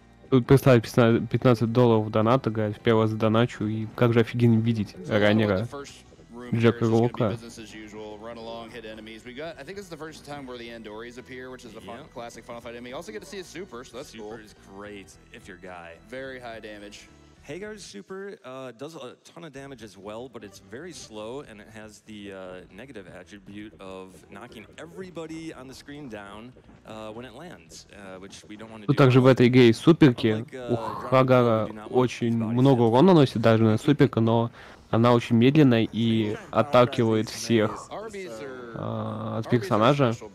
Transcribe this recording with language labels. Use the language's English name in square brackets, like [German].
[Russian] Тут прислали $15 доната, говорят, в первый раз доначу, и как же офигенно видеть раннера. [English] Jack is going to be business as usual, run along, hit enemies. We got, I think this is the first time where the Andoris appear, which is a classic Final Fight enemy. Also get to see his super, so that's super cool. Super is great if you're guy. Very high damage. Hagar's super does a ton of damage as well, but it's very slow, and it has the negative attribute of knocking everybody on the screen down when it lands, which we don't want to do. [Russian] Также в этой игре есть суперки. У Хагара очень много урона наносит даже на суперка, но она очень медленная и отталкивает всех от персонажа.